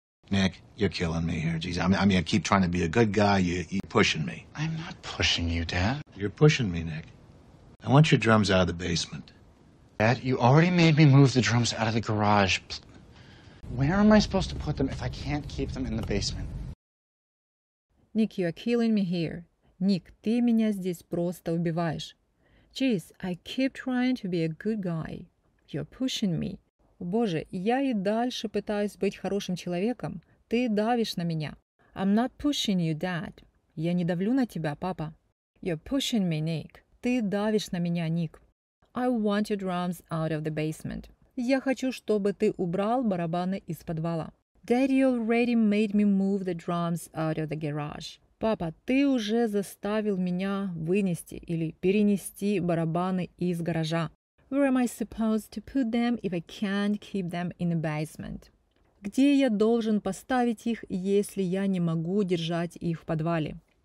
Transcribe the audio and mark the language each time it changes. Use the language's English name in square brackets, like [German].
[English] Nick, you're killing me here. Jeez, I mean, I keep trying to be a good guy. You're pushing me. I'm not pushing you, Dad. You're pushing me, Nick. I want your drums out of the basement. Dad, you already made me move the drums out of the garage. Where am I supposed to put them if I can't keep them in the basement? Nick, you're killing me here. [Russian] Nick, ты меня здесь просто убиваешь. [English] Jeez, I keep trying to be a good guy. You're pushing me. [Russian] Боже, я и дальше пытаюсь быть хорошим человеком. Ты давишь на меня. [English] I'm not pushing you, Dad. [Russian] Я не давлю на тебя, папа. [English] You're pushing me, Nick. [Russian] Ты давишь на меня, Ник. [English] I want your drums out of the basement. [Russian] Я хочу, чтобы ты убрал барабаны из подвала. [English] Daddy already made me move the drums out of the garage. [Russian] Папа, ты уже заставил меня вынести или перенести барабаны из гаража. [English] Where am I supposed to put them if I can't keep them in the basement? [Russian] Где я должен поставить их, если я не могу держать их в подвале?